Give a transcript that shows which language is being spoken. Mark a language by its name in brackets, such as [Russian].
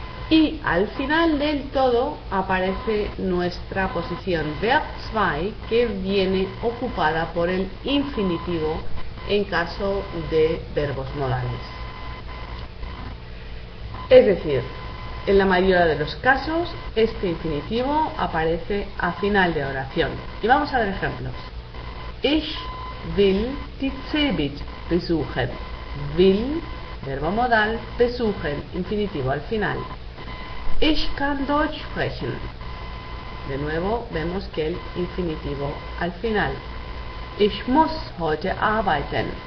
[Spanish] Y al final del todo aparece nuestra posición Verb 2, que viene ocupada por el infinitivo en caso de verbos modales. Es decir, en la mayoría de los casos, este infinitivo aparece a final de oración. Y vamos a ver ejemplos. [German] Ich will die Cebit besuchen. [Spanish] Will, verbo modal, besuchen, infinitivo al final. [German] Ich kann Deutsch sprechen. [Spanish] De nuevo, vemos que el infinitivo al final. [German] Ich muss heute arbeiten.